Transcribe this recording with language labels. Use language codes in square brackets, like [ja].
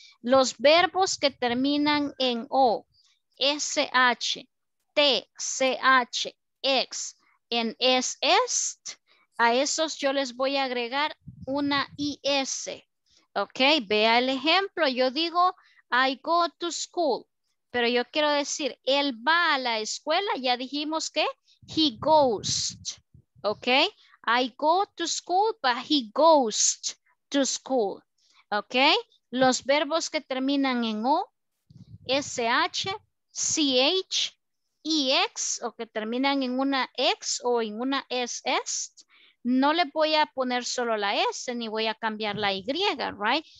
[es] Los verbos que terminan en O, SH, T, CH, X, en est, a esos yo les voy a agregar una IS. Ok, vea el ejemplo. Yo digo, [en] I go to school. [es] Pero yo quiero decir, él va a la escuela. Ya dijimos que he goes. [en] Ok, I go to school, but he goes to school. [es] Ok, los verbos que terminan en O, SH, CH, EX, o que terminan en una X o en una SS, no le voy a poner solo la S ni voy a cambiar la Y, right?